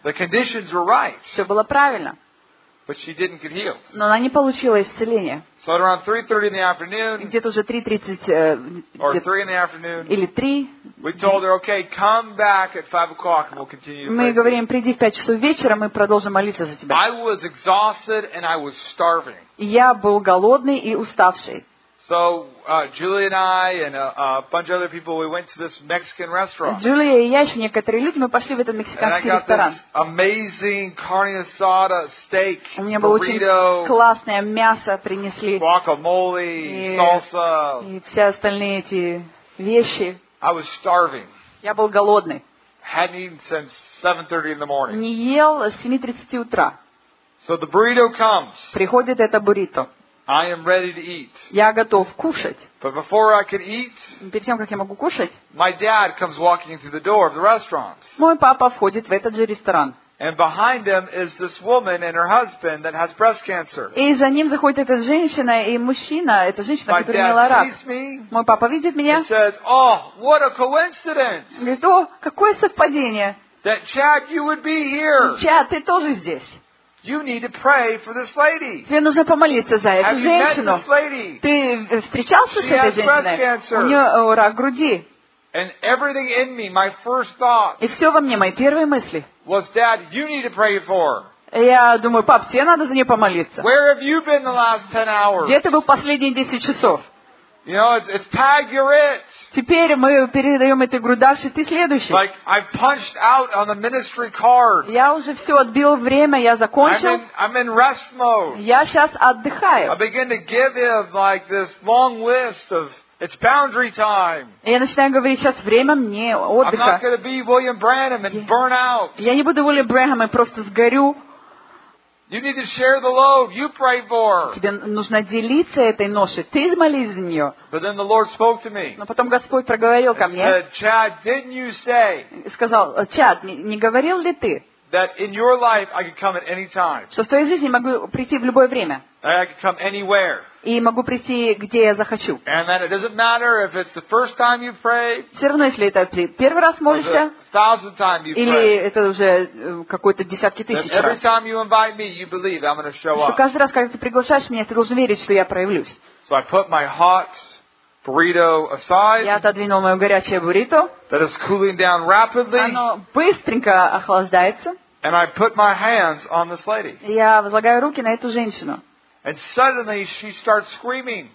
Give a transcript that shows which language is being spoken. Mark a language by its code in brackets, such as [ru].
[en] The conditions were right. [ru] Все было правильно. [en] But she didn't get healed. [ru] Но она не получила исцеление. [en] So at around 3:30 in the afternoon. [ru] Где-то уже 3:30. [en] Or 3 in the afternoon. [ru] Или 3. [en] We told her, okay, come back at 5 o'clock and we'll continue. [ru] Мы говорим, приди в 5 часов вечера, мы продолжим молиться за тебя. [en] I was exhausted and I was starving. [ru] Я был голодный и уставший. [en] So Julie and I and a bunch of other people we went to this Mexican restaurant. [ru] Julie и я еще некоторые люди мы пошли в этот мексиканский ресторан. [en] And I got this amazing carne asada steak. [ru] У меня было очень классное мясо принесли. [en] Guacamole, salsa. [ru] И все остальные эти вещи. [en] I was starving. [ru] Я был голодный. [en] Hadn't eaten since 7:30 in the morning. [ru] Не ел с 7:30 утра. [en] So the burrito comes. [ru] Приходит это буррито. [en] I am ready to eat. [ru] Я готов кушать. [en] But before I could eat, [ru] перед тем, как я могу кушать, [en] my dad comes walking through the door of the restaurant. [ru] Мой папа входит в этот же ресторан. [en] And behind him is this woman and her husband that has breast cancer. [ru] И за ним заходит эта женщина и мужчина, эта женщина, которая имела рак. Мой папа видит меня. [en] He says, "Oh, what a coincidence!" [ru] Говорит, о, какое совпадение! [en] That Chad, you would be here. [ru] Chad, ты тоже здесь. [en] You need to pray for this lady. [ru] Тебе нужно помолиться за эту женщину. [en] Have you met this lady? [ru] Ты встречался [en] She [ru] с этой женщиной? У нее рак груди. [en] And everything in me, my first thought. [ru] И все во мне, мои первые мысли. [en] Was Dad, you need to pray for. [ru] Я думаю, пап, тебе надо за нее помолиться. [en] Where have you been the last 10 hours? [ru] Где ты был последние 10 часов? [en] You know, it's tag, you're it. [ru] Теперь мы передаем этой грудавшей, ты следующий. [en] Like I've punched out on the ministry card. [ru] Я уже все отбил время, я закончил. [en] I'm in rest mode. [ru] Я сейчас отдыхаю. [en] I begin to give him like this long list of it's boundary time. [ru] Я начинаю говорить, сейчас время мне отдыха. [en] I'm not going to be William Branham and burn out. [ru] Я не буду Уильям Бренхам и просто сгорю. [en] You need to share the load you pray for. [ru] Тебе нужно делиться этой ношей. Ты молись за нее. [en] But then the Lord spoke to me. [ru] Но потом Господь проговорил ко мне. [en] Said, Chad, didn't you say? [ru] Сказал, Чад, не говорил ли ты? [en] That in your life I could come at any time. [ru] Что в твоей жизни могу прийти в любое время. [en] I could come anywhere. [ru] И могу прийти где я захочу. [en] And that it doesn't matter if it's the first time you pray. [ru] Все равно если это ты первый раз молишься. [en] Thousand times you pray. [ru] Или это уже какой-то десятки тысяч раз. [en] Every time you invite me, you believe I'm going to show up. [ru] Каждый раз, когда ты приглашаешь меня, ты должен верить, что я проявлюсь. [en] So I put my hot burrito aside. [ru] Я отодвинул мое горячее буррито. [en] That is cooling down rapidly. [ru] Оно быстренько охлаждается. [en] And I put my hands on this lady. [ru] Я возлагаю руки на эту женщину. [en] And suddenly she starts screaming.